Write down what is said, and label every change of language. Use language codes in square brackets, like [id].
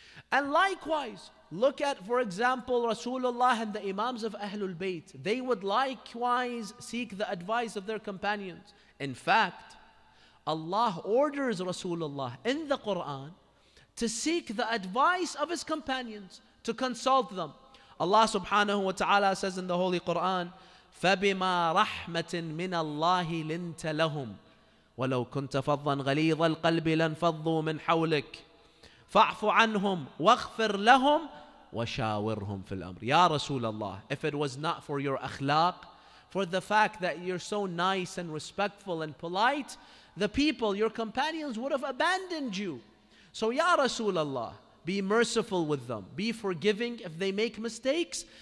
[en] And likewise, look at, for example, Rasulullah and the Imams of Ahlul Bayt. They would likewise seek the advice of their companions. In fact, Allah orders Rasulullah in the Quran to seek the advice of his companions, to consult them. Allah subhanahu wa ta'ala says in the Holy Quran, [ar] فَبِمَا رَحْمَةٍ مِنَ اللَّهِ لِنْتَ لَهُمْ وَلَوْ كُنْتَ فَضًّا غَلِيظَ الْقَلْبِ لَنْفَضُّوا مِنْ حَوْلِكَ فَاعْفُ عَنْهُمْ وَاغْفِرْ لَهُمْ وَشَاوِرْهُمْ فِي الْأَمْرِ. [en] Ya Rasulullah, if it was not for your akhlaq, for the fact that you're so nice and respectful and polite, the people, your companions, would have abandoned you. So Ya Rasulullah, be merciful with them. Be forgiving if they make mistakes.